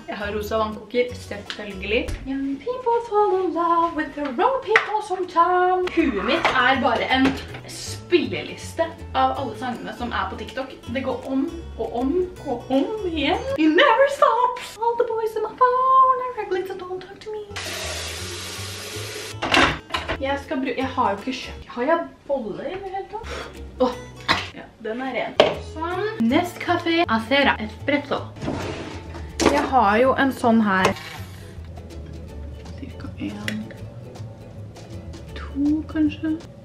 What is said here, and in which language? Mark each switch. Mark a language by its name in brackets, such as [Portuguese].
[Norwegian] Jeg har rosa vannkoker, selvfølgelig. [English] Young people fall in love with the wrong people sometimes. [Norwegian] Huet mitt er bare en spilleliste av alle sangene som er på TikTok. Det går om og om og om igjen. [English] It never stops. All the boys in my phone are regular, so don't talk to me. [Norwegian] Jeg skal bruke, jeg har jo ikke kjøtt. Har jeg boller i det hele tatt? Den er ren. Sånn. Nescafé Acera Espresso. Jeg har jo en sånn her. Cirka en. To, kanskje.